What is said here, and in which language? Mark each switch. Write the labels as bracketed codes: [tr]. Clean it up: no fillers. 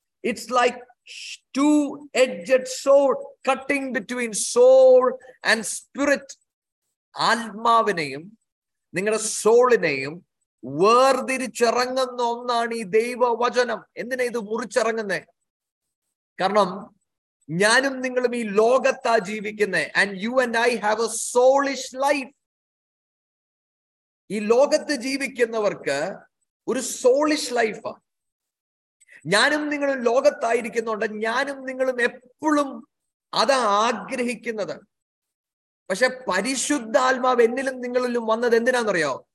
[en] It's like two-edged sword cutting between soul and spirit. [ml] ആത്മാവിനെയും നിങ്ങളുടെ സോളിനെയും വേർതിരിച്ചിറങ്ങുന്ന ഒന്നാണ് ഈ ദൈവവചനം. എന്തിനാ ഇത് മുറിച്ചിറങ്ങുന്നേ? കാരണം ഞാനും നിങ്ങളും ഈ ലോകത്താ ജീവിക്കുന്നേ. [en] And you and I have a soulish life. [ml] ഈ ലോകത്ത് ജീവിക്കുന്നവർക്ക് ഒരു soulish life ആ. ഞാനും നിങ്ങളും ലോകത്തായിരിക്കുന്നുണ്ട്. ഞാനും നിങ്ങളും എപ്പോഴും അതാ ആഗ്രഹിക്കുന്നത്. പക്ഷെ പരിശുദ്ധാത്മാവ് എന്നിലും നിങ്ങളിലും വന്നത് എന്തിനാണെന്നറിയോ?